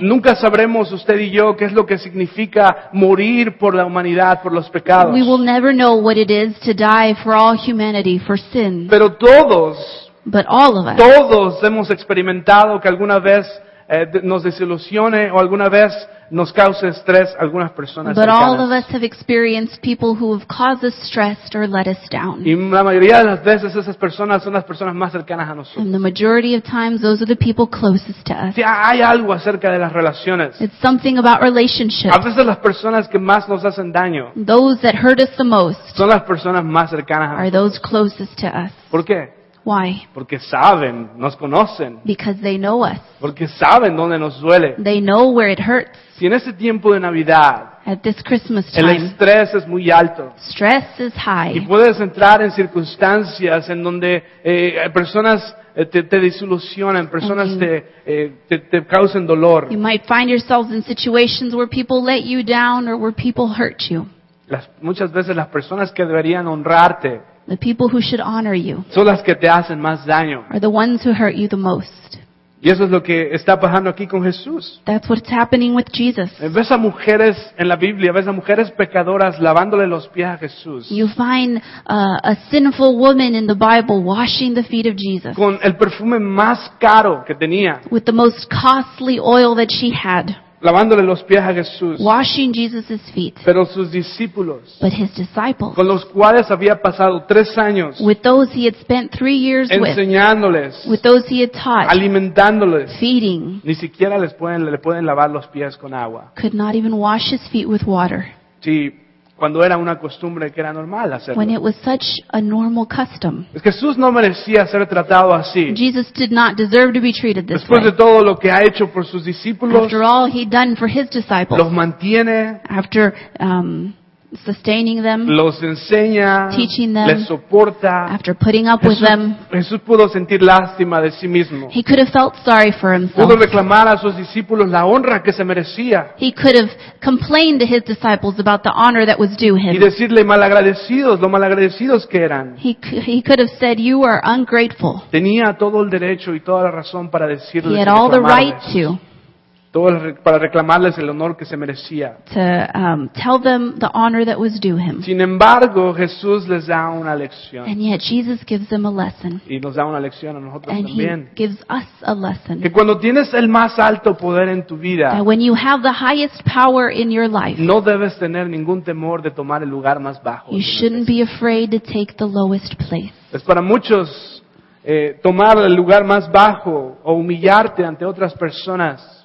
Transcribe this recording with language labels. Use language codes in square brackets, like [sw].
[es] Nunca sabremos usted y yo qué es lo que significa morir por la humanidad, por los pecados. [en] We'll never know what it is to die for all humanity for sin. [es] Pero todos, [en] but all of us, [es] todos hemos experimentado que alguna vez nos desilusione o alguna vez nos cause estrés algunas personas. [en] But [es] cercanas. [en] All of us have experienced people who have caused us stress or let us down. [es] Y la mayoría de las veces esas personas son las personas más cercanas a nosotros. [en] And the majority of times those are the people closest to us. [es] Sí, hay algo acerca de las relaciones. [en] It's something about relationships. [es] A veces las personas que más nos hacen daño. [en] Those that hurt us the most. [es] Son las personas más cercanas a nosotros. [en] Are those closest to us. [es] ¿Por qué? [en] Why? [es] Porque saben, nos conocen. [en] Because they know us. [es] Porque saben dónde nos duele. [en] They know where it hurts. [es] Si en ese tiempo de Navidad, [en] at this Christmas time, [es] el estrés es muy alto. [en] Stress is high. [es] Y puedes entrar en circunstancias en donde personas te desilusionan, personas te causan dolor. [en] You might find yourselves in situations where people let you down or where people hurt you. [es] Muchas veces las personas que deberían honrarte, [en] the people who should honor you, [es] son las que te hacen más daño, [en] are the ones who hurt you the most. [es] Y eso es lo que está pasando aquí con Jesús. [en] That's what's happening with Jesus. [es] Ves a mujeres en la Biblia, ves a mujeres pecadoras lavándole los pies a Jesús. [en] You find a sinful woman in the Bible washing the feet of Jesus. [es] Con el perfume más caro que tenía. [en] With the most costly oil that she had. [es] Lavándole los pies a Jesús. [en] Washing Jesus' feet. [es] Pero sus discípulos. [en] But his disciples. [es] Con los cuales había pasado 3 años. [en] With those he had spent 3 years [es] enseñándoles. [en] With those he had taught. [es] Alimentándoles. [en] Feeding. [es] Ni siquiera le pueden lavar los pies con agua. [en] Could not even wash his feet with water. [es] Sí, cuando era una costumbre que era normal hacerlo. [en] When it was such a normal custom. [es] Jesús no merecía ser tratado así. [en] Jesus did not deserve to be treated this [es] después [en] way. [es] Después de todo lo que ha hecho por sus discípulos. [en] After all he'd done for his disciples. [es] Los mantiene. [en] After sustaining them. [es] Los enseña. [en] Teaching them. [es] Les soporta. [en] After putting up with them. [es] Jesús pudo sentir lástima de sí mismo. [en] He could have felt sorry for himself. [es] Pudo reclamar a sus discípulos la honra que se merecía. [en] He could have complained to his disciples about the honor that was due him. [es] Y decirle malagradecidos, lo malagradecidos que eran. [en] He could have said, you are ungrateful. [es] Tenía todo el derecho y toda la razón para decirles. [en] He had all the right to. [es] Todo para reclamarles el honor que se merecía. [en] To tell them the honor that was due him. [es] Sin embargo, Jesús les da una lección. [en] And yet Jesus gives them a lesson. [es] Y nos da una lección a nosotros [en] and [es] también. [en] He gives us a lesson. [es] Que cuando tienes el más alto poder en tu vida, [en] that when you have the highest power in your life, [es] no debes tener ningún temor de tomar el lugar más bajo. [en] You shouldn't be afraid to take the lowest place. [es] Es para muchos tomar el lugar más bajo o humillarte ante otras personas.